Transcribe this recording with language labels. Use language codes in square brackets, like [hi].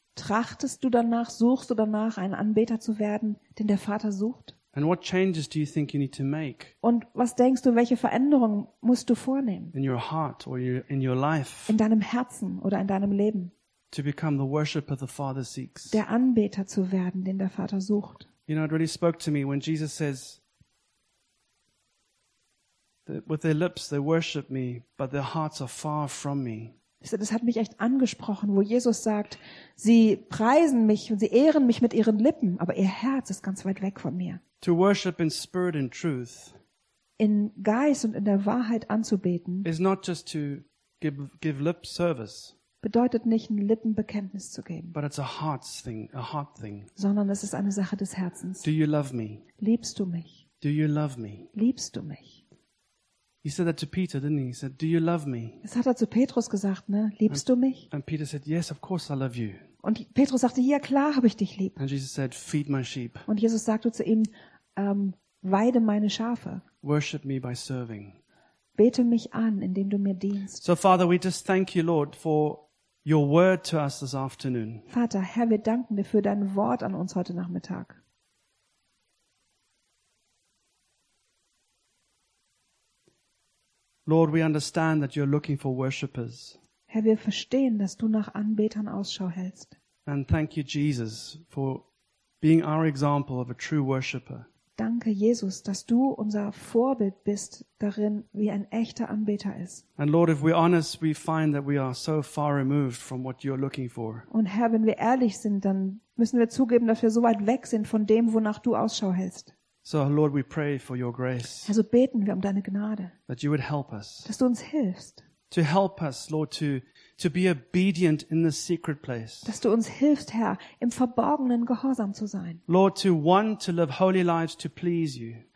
[de] Trachtest du danach, suchst du danach, ein Anbeter zu werden, den der Vater sucht? [en] And what changes do you think you need to make? [de] Und was denkst du, welche Veränderungen musst du vornehmen? [en] In your heart or in your life. [de] In deinem Herzen oder in deinem Leben. [en] To become the worshipper the Father seeks. [de] Der Anbeter zu werden, den der Vater sucht. [en] You know, it really spoke to me when Jesus says that with their lips they worship me, but their hearts are far from me. [de] Das hat mich echt angesprochen, wo Jesus sagt, sie preisen mich und sie ehren mich mit ihren Lippen, aber ihr Herz ist ganz weit weg von mir. [en] To worship in spirit and truth. [de] In Geist und in der Wahrheit anzubeten. [en] Is not just to give lip service. [de] Bedeutet nicht, ein Lippenbekenntnis zu geben. [en] But it's a heart thing, a heart thing. [de] Sondern es ist eine Sache des Herzens. [en] Do you love me? [de] Liebst du mich? [en] Do you love me? [de] Liebst du mich? [en] He said that to Peter, didn't he? He said, "Do you love me?" [de] Das hat er zu Petrus gesagt, ne? Liebst du mich? [en] And Peter said, "Yes, of course I love you." [de] Und Petrus sagte, ja, klar, habe ich dich lieb. [en] And Jesus said, "Feed my sheep." [de] Und Jesus sagte zu ihm, weide meine Schafe. [en] Worship me by serving. [de] Bete mich an, indem du mir dienst. [en] So Father, we just thank you, Lord, for your word to us this afternoon. [de] Vater, Herr, wir danken dir für dein Wort an uns heute Nachmittag. [en] Lord, we understand that you're looking for worshippers. [de] Herr, wir verstehen, dass du nach Anbetern Ausschau hältst. [en] And thank you, Jesus, for being our example of a true worshipper. [de] Danke, Jesus, dass du unser Vorbild bist darin, wie ein echter Anbeter ist. [en] And Lord, if we're honest, we find that we are so far removed from what you're looking for. [de] Und Herr, wenn wir ehrlich sind, dann müssen wir zugeben, dass wir so weit weg sind von dem, wonach du Ausschau hältst. [en] So Lord, we pray for your grace. [de] Also beten wir um deine Gnade. [en] That you would help us. [de] Dass du uns hilfst. [en] To help us, Lord, to be obedient in the secret place. [de] Dass du uns hilfst, Herr, im Verborgenen gehorsam zu sein. [en] Lord, to want to live holy lives to please you.